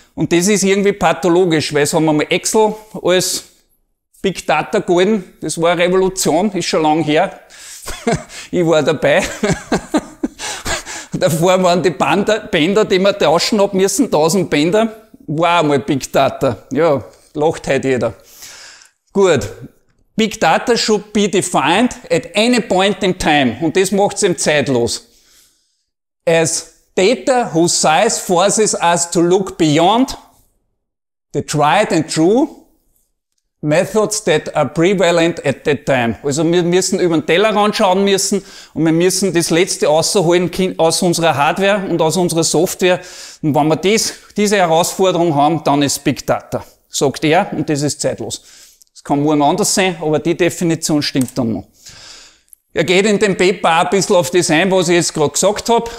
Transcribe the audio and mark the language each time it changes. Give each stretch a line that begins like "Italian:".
German: Und das ist irgendwie pathologisch, weil so haben wir mal Excel als Big Data gehalten. Das war eine Revolution, ist schon lang her. Ich war dabei. Davor waren die Bänder, die wir tauschen haben müssen, 1000 Bänder. War einmal Big Data. Ja, lacht heute jeder. Gut.
English: Big Data should be defined at any point in time.
German: Und das macht's eben zeitlos.
English: As data whose size forces us to look beyond the tried and true methods that are prevalent at that time.
German: Also wir müssen über den Tellerrand schauen müssen und wir müssen das Letzte rausholen aus unserer Hardware und aus unserer Software. Und wenn wir diese Herausforderung haben, dann ist Big Data, sagt er, und das ist zeitlos. Das kann morgen anders sein, aber die Definition stimmt dann noch. Er geht in dem Paper auch ein bisschen auf das ein, was ich jetzt gerade gesagt habe.